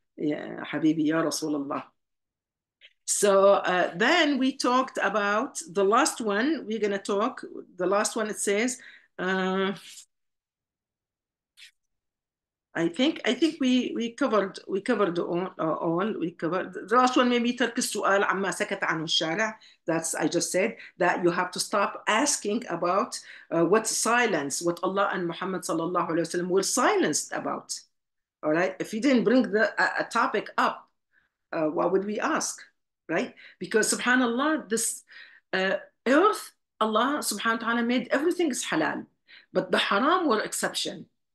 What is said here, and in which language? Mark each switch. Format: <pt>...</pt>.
<en>Yeah, Habibi Ya Rasulullah. So then we talked about the last one. We're going to talk. The last one, it says, I think we covered all. The last one, maybe</en> <ar>ترك السؤال عما سكت عنه الشارع.</ar> <en>That's, I just said, that you have to stop asking about what silence, what Allah and Muhammad sallallahu alayhi wa sallam were silenced about. All right, if he didn't bring a topic up, what would we ask, right? Because subhanAllah, this earth, Allah subhanahu wa ta'ala made everything is halal, but the haram were exception.</en>